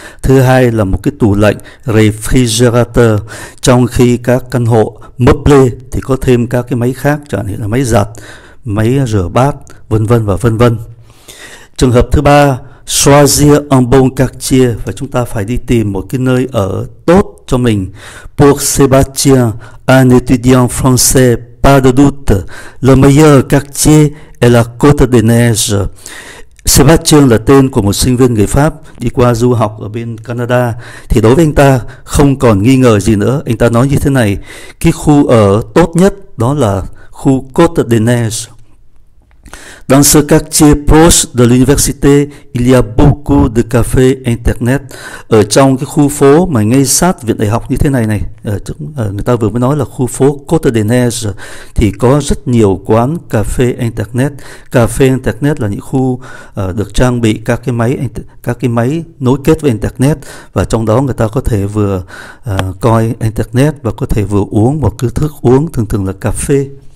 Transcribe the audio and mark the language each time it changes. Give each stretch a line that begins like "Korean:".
Vietnamese: Thứ hai là một cái tủ lạnh refrigerator, trong khi các căn hộ meuble thì có thêm các cái máy khác, chẳng hạn là máy giặt, máy rửa bát, vân vân và vân vân. Trường hợp thứ ba,
French: choisir un bon quartier,
Vietnamese: và chúng ta phải đi tìm một cái nơi ở tốt cho mình.
French: Pour Sébastien, un étudiant français, pas de doute, le meilleur quartier est la Côte des Neiges.
Vietnamese: Sébastien là tên của một sinh viên người Pháp đi qua du học ở bên Canada, thì đối với anh ta không còn nghi ngờ gì nữa. Anh ta nói như thế này, cái khu ở tốt nhất đó là khu Côte des Neiges.
French: Dans ce quartier proche de l'université, il y a beaucoup de cafés internet.
Vietnamese: Ở trong cái khu phố mà ngay sát viện đại học như thế này này, người ta vừa mới nói là khu phố Côte des Neiges, thì có rất nhiều quán cà phê internet. Cà phê internet là những khu được trang bị các cái máy nối kết với internet, và trong đó người ta có thể vừa coi internet và có thể vừa uống một cái thức uống, thường thường là cà phê.